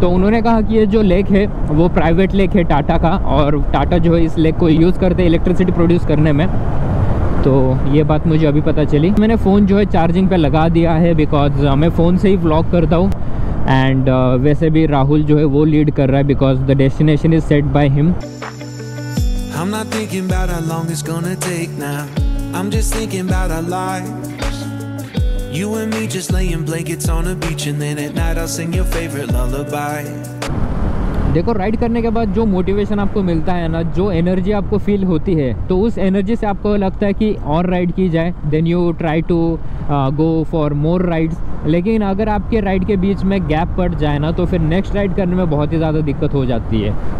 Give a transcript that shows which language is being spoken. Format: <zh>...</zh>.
<hi>तो उन्होंने कहा कि ये जो लेक है वो प्राइवेट लेक है टाटा का, और टाटा जो है इस लेक को यूज़ करते हैं इलेक्ट्रिसिटी प्रोड्यूस करने में। तो ये बात मुझे अभी पता चली। मैंने फ़ोन जो है चार्जिंग पे लगा दिया है बिकॉज मैं फ़ोन से ही व्लॉग करता हूँ एंड वैसे भी राहुल जो है वो लीड कर रहा है</hi> <en>Because the destination is set by him. I'm not thinking about how long it's gonna take now. I'm just thinking about our lives. You and me just laying blankets on a beach and then at night I'll sing your favorite lullaby.</en> <hi>देखो ride करने के बाद जो motivation आपको मिलता है ना, जो एनर्जी आपको फील होती है, तो उस एनर्जी से आपको लगता है कि और राइड की जाए,</hi> <en>Then you try to go for more rides.</en> <hi>लेकिन अगर आपके राइड के बीच में गैप पड़ जाए ना, तो फिर नेक्स्ट राइड करने में बहुत ही ज़्यादा दिक्कत हो जाती है।</hi>